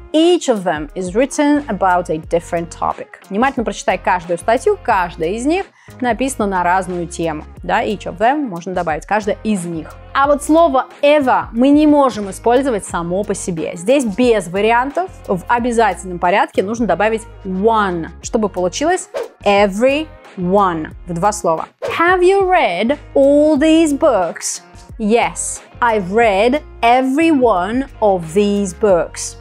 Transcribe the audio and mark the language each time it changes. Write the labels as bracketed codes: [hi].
[en] Each of them is written about a different topic. [ru] Внимательно прочитай каждую статью, каждая из них написана на разную тему. Да, [en] each of them [ru] можно добавить, каждая из них. А вот слово ever мы не можем использовать само по себе. Здесь без вариантов, в обязательном порядке нужно добавить one, чтобы получилось every one в два слова. [en] Have you read all these books? Yes, I've read every one of these books.